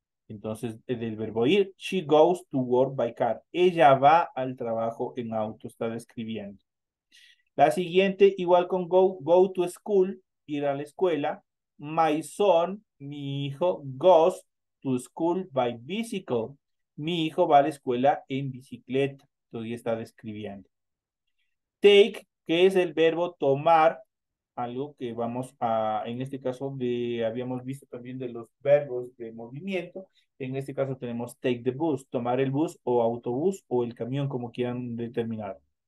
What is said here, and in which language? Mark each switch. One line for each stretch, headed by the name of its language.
Spanish: Entonces, del verbo ir,
English: she goes to work by car.
Spanish: Ella va al trabajo en auto, está describiendo. La siguiente, igual con
English: go to school,
Spanish: ir a la escuela.
English: My son,
Spanish: mi hijo,
English: goes to school by bicycle.
Spanish: Mi hijo va a la escuela en bicicleta. Todavía está describiendo. Take, que es el verbo tomar, algo que vamos a, en este caso, habíamos visto también de los verbos de movimiento. En este caso tenemos
English: take the bus,
Spanish: tomar el bus o autobús o el camión, como quieran determinar.